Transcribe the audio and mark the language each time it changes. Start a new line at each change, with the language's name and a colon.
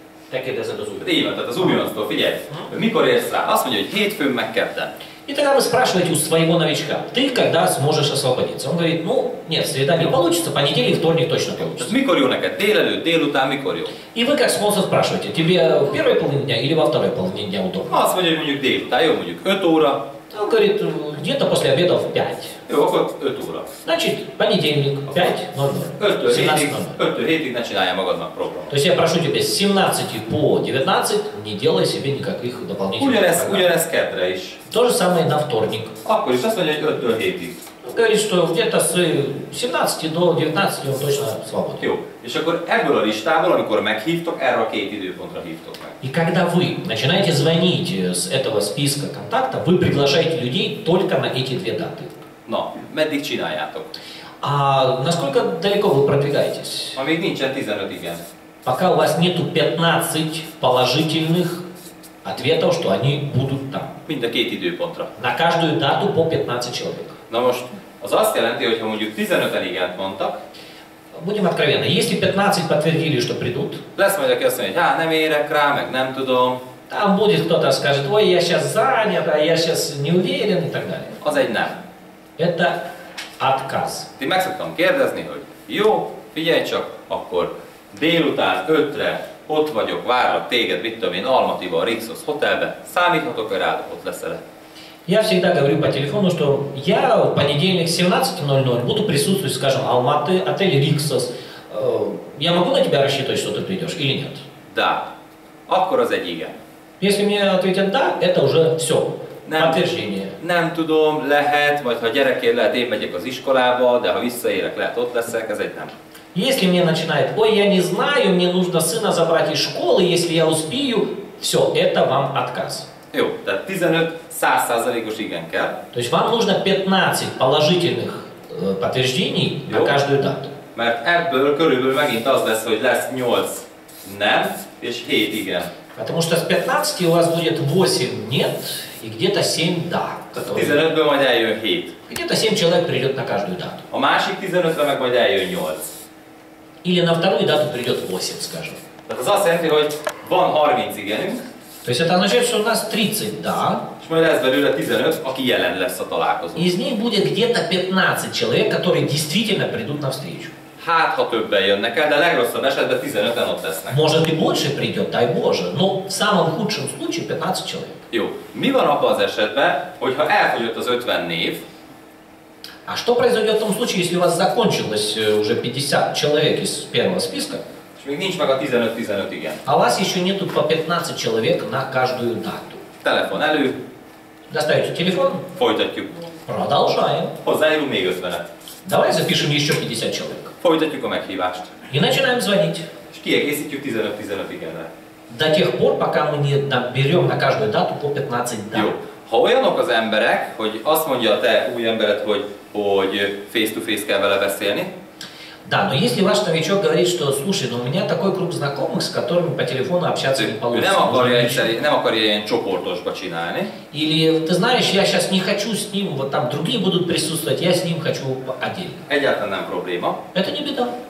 Hungarian: Megkérdezed az újonctól. Így van, tehát az újonctól, figyelj, mikor érsz rá? Azt mondja, hogy hétfőn meg kedden.
Russian: И тогда вы спрашиваете у своего новичка, ты когда сможешь освободиться? Он говорит, ну, нет, среда не получится, понедельник, вторник точно получится.
Hungarian: Mikor jó neked? Délelőtt, délután, mikor jó?
Russian: И вы как спонсор спрашиваете, тебе в первой половине дня или во второй половине дня удобно?
Hungarian: Azt mondja, mondjuk délután, jó, mondjuk 5 óra.
Russian: Он говорит, где-то после обеда в 5.
Hungarian: Jó, akkor 5 óra.
Russian: Значит, понедельник, 5.00, 17.00. 5-7 начинай magadnak программу. То есть я прошу тебя с 17 по 19 не делай себе никаких дополнительных
Hungarian: программ. Ugyanez kedre is.
Russian: То же самое на вторник.
Hungarian: Akkor is azt mondja, hogy 5-7.
Russian: Он говорит, что где-то с 17 до 19 он точно свободен.
Hungarian: Jó. És akkor ebből a listából, amikor meghívtok, erre a két időpontra hívtok meg.
Russian: И когда вы начинаете звонить с этого списка контактов, вы приглашаете людей только на эти две даты.
Hungarian: Но, meddig csináljátok?
Russian: А насколько далеко вы продвигаетесь?
Hungarian: Amíg nincsen 15 igen.
Russian: Пока у вас нету 15 положительных ответов, что они будут там.
Hungarian: Mind a két időpontra.
Russian: На каждую дату по 15 человек.
Hungarian: Na most, az azt jelenti, hogyha mondjuk 15-en igen mondtak,
Russian: будем откровенны, если 15 подтвердили, что придут,
Hungarian: lesz majd, aki azt mondja, hogy nem érek rá, meg nem tudom.
Russian: Там будет кто-то скажет, ой, я сейчас занят, а я сейчас не уверен, и так далее.
Hungarian: Az egy nem.
Russian: Это отказ.
Hungarian: Ты meg szoktam kérdezni, hogy jó, figyelj csak, akkor délután 5-re ott vagyok, várlak téged, mit tudom én, Almatiba, a Rixos hotelbe, számíthatok rá, ott leszel.
Russian: Я всегда говорю по телефону, что я в понедельник 17.00 буду присутствовать, скажем, Алматы, отель Риксос. Я могу на тебя рассчитывать, что ты придешь или нет?
Hungarian: Да. Akkor az egy igen.
Russian: Если мне ответят да, это уже все. Подтверждение.
Hungarian: Nem tudom, lehet, majd ha gyerekért lehet, én megyek az iskolába, de ha visszaérek, lehet ott leszek, ez egy nem.
Russian: Если мне начинает, ой, я не знаю, мне нужно сына забрать из школы, если я успею, все, это вам отказ.
Hungarian: Jó, tehát 15 100%-os igen kell.
Russian: То есть вам нужно 15 положительных подтверждений на каждую дату.
Hungarian: Mert ebből körülbelül megint az lesz, hogy lesz 8 nem és 7 igen.
Russian: Потому что с 15 у вас будет 8 нет и где-то 7 да.
Hungarian: Тогда 15-ből majd eljön 7.
Russian: Где-то 7 человек придет на каждую дату.
Hungarian: A másik 15-ra meg majd eljön 8.
Russian: Или на вторую дату придет 8, скажем.
Hungarian: Tehát az azt jelenti, hogy van 30 igenünk.
Russian: То есть это означает, что у нас 30, да.
Hungarian: És majd lesz belőle 15, aki jelen lesz a találkozón.
Russian: Из них будет где-то 15 человек, которые действительно придут на встречу.
Hungarian: Hát, ha többen jönnek el, de legrosszabb esetben 15-en ott lesznek.
Russian: Может и больше придет, дай Боже, но в самом худшем случае 15 человек.
Hungarian: Jó. Mi van abban az esetben, hogyha elfogyott az 50 név?
Russian: А что произойдет в том случае, если у вас закончилось уже 50 человек из первого списка?
Hungarian: Még nincs meg a 15-15 igen.
Russian: А у вас еще нету по 15 человек на каждую дату.
Hungarian: Телефон elő.
Russian: Достаете телефон.
Hungarian: Folytatjuk.
Russian: Продолжаем.
Hungarian: Hozzájövünk még 50-et.
Russian: Давай запишем еще 50 человек.
Hungarian: Folytatjuk a meghívást.
Russian: И начинаем звонить.
Hungarian: És kiegészítjük 15-15 igenre.
Russian: До тех пор, пока мы не наберем на каждую дату по 15 дат.
Hungarian: Jó. Ha olyanok az emberek, hogy azt mondja a te új embered, hogy face-to-face kell vele beszélni,
Russian: да, но если ваш новичок говорит, что слушай, ну у меня такой круг знакомых, с которыми по телефону общаться не получится. Или ты знаешь, я сейчас не хочу с ним, вот там другие будут присутствовать, я с ним хочу отдельно. Это не беда.